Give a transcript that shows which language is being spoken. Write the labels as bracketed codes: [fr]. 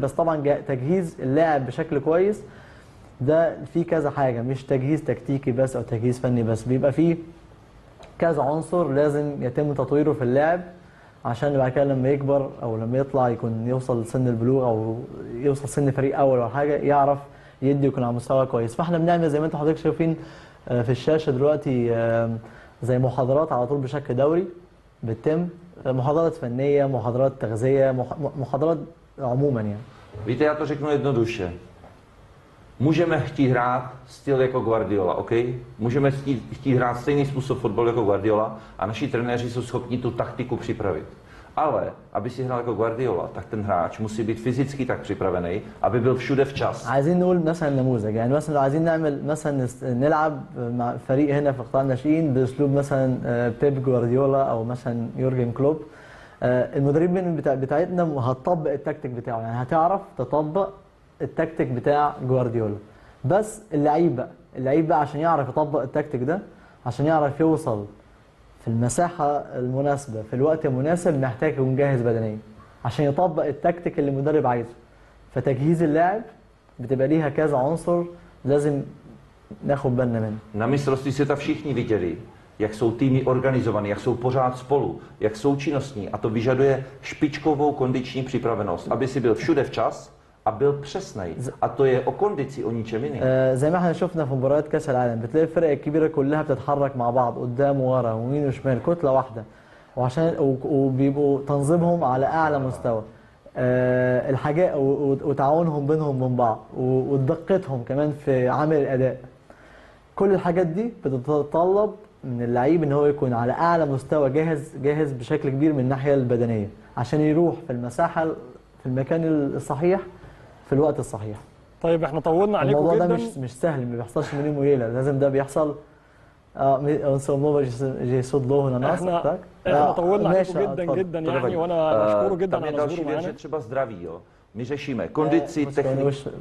[ar] بس طبعا تجهيز اللاعب بشكل كويس ده فيه كذا حاجه، مش تجهيز تكتيكي بس او تجهيز فني بس، بيبقى فيه كذا عنصر لازم يتم تطويره في اللاعب عشان بعد كده لما يكبر او لما يطلع يكون يوصل لسن البلوغ او يوصل سن فريق اول ولا حاجه يعرف يدي ويكون على مستوى كويس. فاحنا بنعمل زي ما انتم حضرتك شايفين في الشاشه دلوقتي زي محاضرات على طول بشكل دوري بتتم، محاضرات فنيه، محاضرات تغذيه، محاضرات عموما يعني. [cs] Víte, já to řeknu jednoduše. Můžeme chtít hrát styl jako Guardiola, OK? Můžeme chtít hrát stejný způsob fotbalu jako Guardiola a naši trenéři jsou schopni tu taktiku připravit. Ale aby si hrál jako Guardiola, tak ten hráč musí být fyzicky tak připravený, aby byl všude včas. [ar] عايزين نقول مثلا نموذج يعني مثلا عايزين نعمل مثلا نلعب مع فريق هنا في قطاع الناشئين باسلوب مثلا بيب جوارديولا او مثلا يورجن كلوب. المدرب من بتاعتنا هتطبق التكتيك بتاعه، يعني هتعرف تطبق التكتيك بتاع جوارديولا، بس اللعيب بقى عشان يعرف يطبق التكتيك ده، عشان يعرف يوصل في المساحه المناسبه في الوقت المناسب، محتاج يكون جاهز بدنيا عشان يطبق التكتيك اللي المدرب عايزه. فتجهيز اللاعب بتبقى ليها كذا عنصر لازم ناخد بالنا منه. [cs] Na mistrovství světa všichni viděli, jak jsou týmy organizovaný, jak jsou pořád spolu, jak jsou činnostní, a to vyžaduje špičkovou kondiční připravenost, aby si byl všude včas a byl přesnej. A to je o kondici, o ničem jiným. [ar] زي ما احنا شفنا في مباريات كاس العالم بتلاقي الفرق الكبيره كلها بتتحرك مع بعض قدام وورا ويمين وشمال كتله واحده، وعشان وبيبقوا تنظيمهم على اعلى مستوى الحاجات وتعاونهم بينهم من بعض ودقتهم كمان في عمل الاداء، كل الحاجات دي بتتطلب من اللعيب ان هو يكون على اعلى مستوى جاهز بشكل كبير من الناحيه البدنيه عشان يروح في المساحه في المكان الصحيح في الوقت الصحيح. طيب احنا طولنا عليكم جدا. الموضوع ده مش سهل، ما بيحصلش من يوم وليله، لازم ده بيحصل. احنا طولنا عليكم جدا جدا يعني، وانا مشكوره جدا على ظهوري. [cs] My řešíme kondici, techniku.